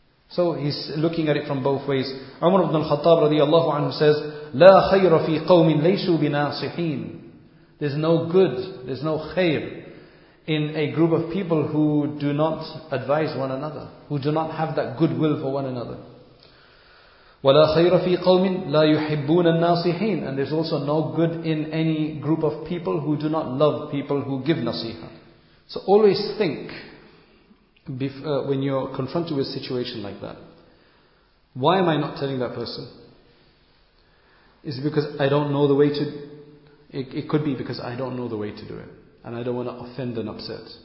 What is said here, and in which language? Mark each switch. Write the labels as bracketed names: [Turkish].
[English] So he's looking at it from both ways. Umar ibn al-Khattab radiallahu anhu says, [Arabic] لا خير في قوم ليسوا بناصحين. [English] There's no good, there's no khair in a group of people who do not advise one another, who do not have that goodwill for one another. [Arabic] ولا خير في قوم لا يحبون الناصحين. [English] And there's also no good in any group of people who do not love people who give nasiha. So always think, when you're confronted with a situation like that, why am I not telling that person? Is it because I don't know the way to? It could be because I don't know the way to do it, and I don't want to offend and upset.